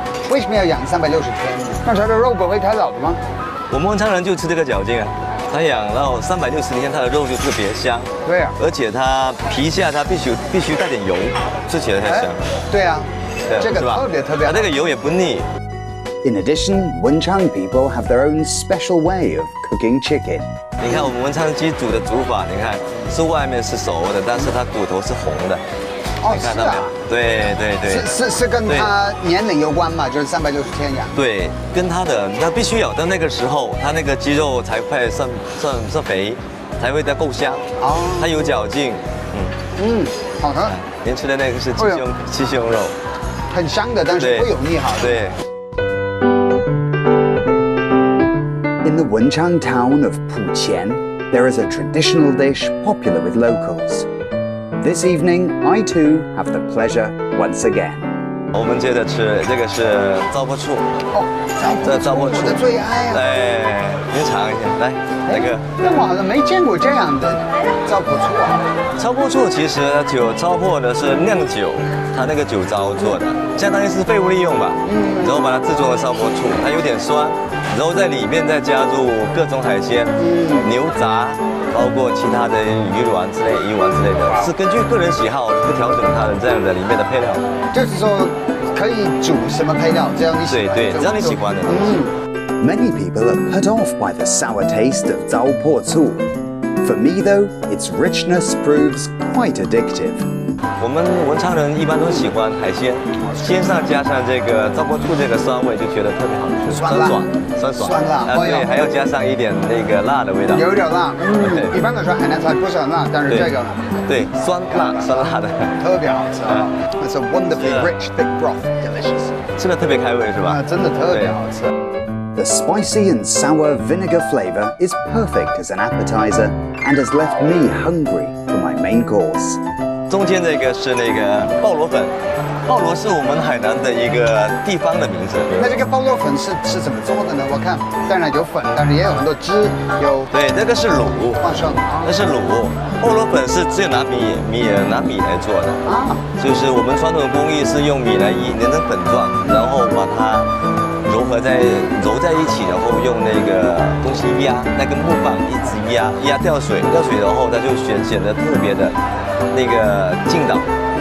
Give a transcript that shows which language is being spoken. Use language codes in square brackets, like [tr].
[zh] 为什么要养360天呢？那它的肉不会太老的吗？我们文昌人就吃这个嚼劲啊。它养到360天，它的肉就特别香。对啊，而且它皮下它必须带点油，吃起来才香。对啊，对，这个特别特别好，它那个油也不腻。 [en] In addition, Wenchang people have their own special way of cooking chicken. [zh] 你看我们文昌鸡煮的煮法，你看是外面是熟的，但是它骨头是红的。哦，你看到没有，是啊。对对对，是跟它年龄有关嘛，就是360天养。对，跟它的那必须有，但那个时候它那个鸡肉才会算肥，才会得够香。哦，它有嚼劲。好的。您吃的那个是鸡胸肉，很香的，但是不油腻哈。对。 [en] In the Wenchang town of Putian, there is a traditional dish popular with locals. This evening, I too have the pleasure once again. [zh] 我们接着吃，这个是糟粕醋。哦，糟粕醋，我的最爱啊！对，您尝一下，来，那个。那我好像没见过这样的糟粕醋啊。糟粕醋其实酒糟粕呢是酿酒，它那个酒糟做的，相当于是废物利用吧。然后把它制作了糟粕醋，它有点酸，然后在里面再加入各种海鲜，牛杂。包括其他的鱼丸之类的，是根据个人喜好不调整它的这样的里面的配料，就是说可以煮什么配料，只要你喜欢，对对，只要你喜欢的。 [en] Many people are put off by the sour taste of 糟粕醋. For me though, its richness proves quite addictive. [zh] 我们文昌人一般都喜欢海鲜，鲜上加上这个糟粕醋这个酸味，就觉得特别好吃，酸爽。酸爽，酸辣，对，还要加上一点那个辣的味道，有点辣。一般来说海南菜不是很辣，但是这个，对，酸辣，酸辣的，特别好吃。 [en] It's a wonderfully rich thick broth, delicious. [zh] 吃的特别开胃是吧？真的特别好吃。 [en] The spicy and sour vinegar flavor is perfect as an appetizer and has left me hungry for my main course. [zh] 中间这个是那个鲍螺粉。鲍螺是我们海南的一个地方的名字。那这个鲍螺粉是怎么做的呢？我看当然有粉，但是也有很多汁，有对，那个是卤，花生，那是卤。鲍螺粉是只有拿米来做的啊，就是我们传统的工艺是用米来捏成粉状，然后把它揉在一起，然后用那个东西压，那根木棒一直压，压掉水，掉水然后它就显得特别的那个劲道。